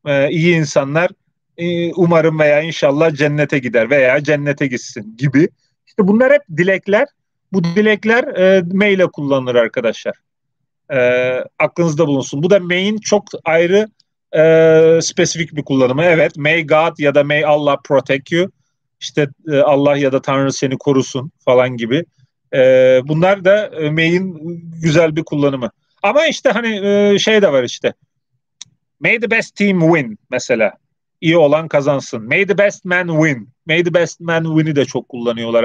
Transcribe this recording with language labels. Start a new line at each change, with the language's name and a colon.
Turkish: İyi insanlar umarım veya inşallah cennete gider veya cennete gitsin gibi. İşte bunlar hep dilekler. Bu dilekler maille kullanılır arkadaşlar. Aklınızda bulunsun. Bu da may'in çok ayrı spesifik bir kullanımı. Evet,
English: may God
Turkish: ya da
English: may Allah protect you.
Turkish: İşte Allah ya da Tanrı seni korusun falan gibi. Bunlar da may'in güzel bir kullanımı. Ama işte hani şey de var işte.
English: May the best team win
Turkish: mesela. İyi olan kazansın.
English: May the best man win. May the best man win'i
Turkish: de çok kullanıyorlar.